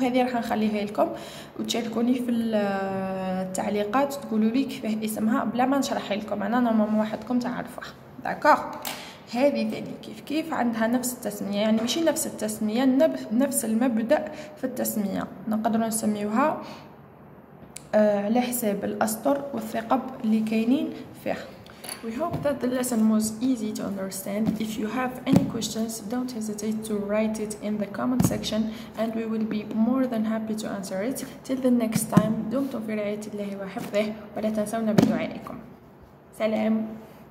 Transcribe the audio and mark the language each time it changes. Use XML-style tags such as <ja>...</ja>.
<ar>هذه راح نخليها لكم وتشاركوني في التعليقات تقولوا لي كيفاه اسمها بلا ما نشرح لكم انا نورمالمون وحدكم تعرفوها داكوغ. هذه ثاني كيف كيف عندها نفس التسمية يعني ماشي نفس التسمية نفس المبدأ في التسمية نقدروا نسميوها على حساب الأسطر والثقب اللي كاينين فيها.</ar> <en>We hope that the lesson was easy to understand. If you have any questions, don't hesitate to write it in the comment section and we will be more than happy to answer it. Till the next time,</en> <ar>دمتم في رعاية الله وحفظه ولا تنسونا بدعائكم. سلام.</ar>